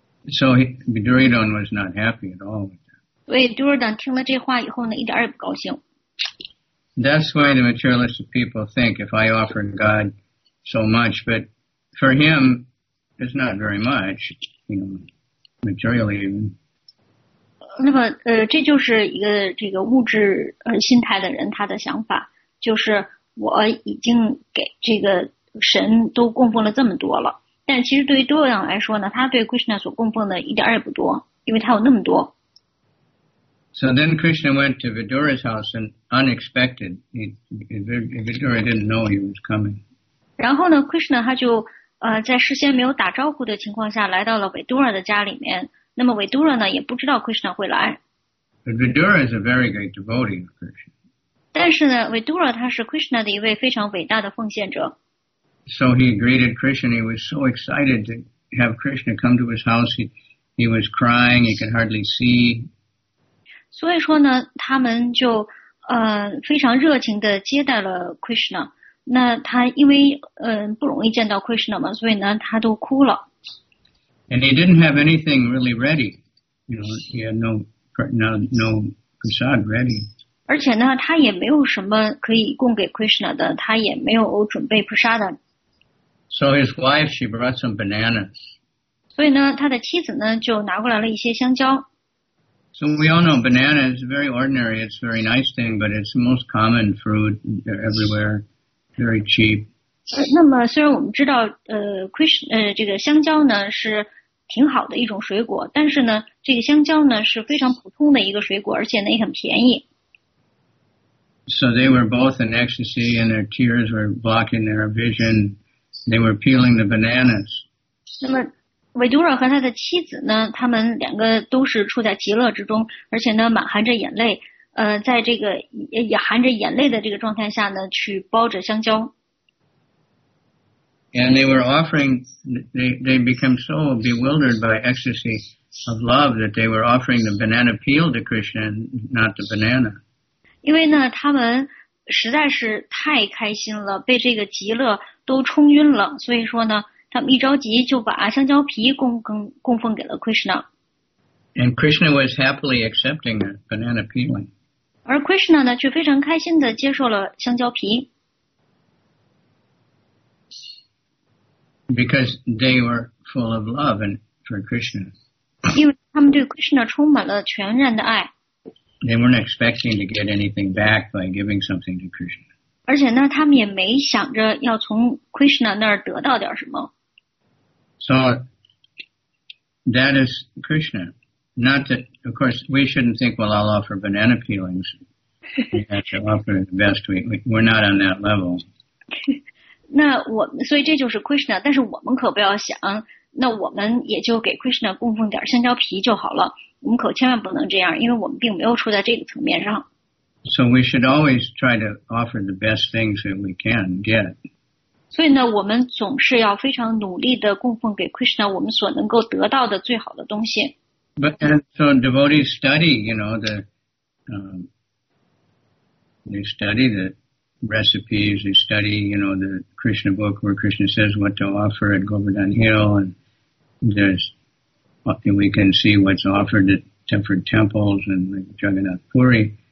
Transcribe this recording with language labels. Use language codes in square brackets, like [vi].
[en] So Duryodhana was not happy at all with that. [zh] 所以 Duryodhana 听了这话以后呢，一点也不高兴。 [en] That's why the materialistic people think if I offer God so much, but for him, it's not very much, you know, materially even. [zh] 那么这就是一个这个物质心态的人他的想法，就是我已经给这个神都供奉了这么多了。但其实对于多样来说呢，他对 Krishna 所供奉的一点也不多，因为他有那么多。 [en] So then Krishna went to Vidura's house and unexpected, Vidura didn't know he was coming. [zh] 然后呢 ，Krishna 他就在事先没有打招呼的情况下来到了 Vidura 的家里面。那么 Vidura 呢也不知道 Krishna 会来。 [en] But Vidura is a very great devotee of Krishna. [zh] 但是呢 ，Vidura 他是 Krishna 的一位非常伟大的奉献者。 [en] So he greeted Krishna. He was so excited to have Krishna come to his house. He was crying. He could hardly see. [zh] 所以说呢，他们就非常热情地接待了 Krishna. 那他因为不容易见到 Krishna 嘛，所以呢他都哭了。 [en] And he didn't have anything really ready. You know, he had no prasad ready. [zh] 而且呢，他也没有什么可以供给 Krishna 的，他也没有准备 prasad 的。 [en] So his wife, she brought some bananas. [zh] 所以呢，他的妻子呢就拿过来了一些香蕉。 [en] So we all know banana is very ordinary. It's a very nice thing, but it's the most common fruit everywhere. Very cheap. [zh] 那么虽然我们知道这个香蕉呢是挺好的一种水果，但是呢，这个香蕉呢是非常普通的一个水果，而且呢也很便宜。 [en] So they were both in ecstasy, and their tears were blocking their vision. They were peeling the bananas. [zh] 那么维多尔和他的妻子呢，他们两个都是处在极乐之中，而且呢满含着眼泪，在这个也含着眼泪的这个状态下呢去包着香蕉。 [en] And they were offering, they became so bewildered by ecstasy of love that they were offering the banana peel to Krishna, not the banana. [zh] 因为呢他们实在是太开心了，被这个极乐都冲晕了，所以说呢，他们一着急就把香蕉皮供奉给了 Krishna。 [en] And Krishna was happily accepting the banana peeling. [zh] 而 Krishna 呢，却非常开心地接受了香蕉皮。 [en] Because they were full of love and for Krishna. [zh] 因为他们对 Krishna 充满了全然的爱。 [en] They weren't expecting to get anything back by giving something to Krishna. [zh] 而且呢，他们也没想着要从 Krishna 那儿得到点什么。 [en] So that is Krishna. Not that, of course, we shouldn't think, well, I'll offer banana peelings. We have to offer the best. We're not on that level. [zh] 那我们，所以这就是 Krishna. 但是我们可不要想，那我们也就给 Krishna 供奉点香蕉皮就好了。我们可千万不能这样，因为我们并没有处在这个层面上。 [en] So we should always try to offer the best things that we can get. [zh] 所以呢，我们总是要非常努力地供奉给 Krishna 我们所能够得到的最好的东西。 [en] But so devotees study, you know, they study the recipes, they study, you know, the Krishna book where Krishna says what to offer at Govardhan Hill, and we can see what's offered at different temples and like Jagannath Puri.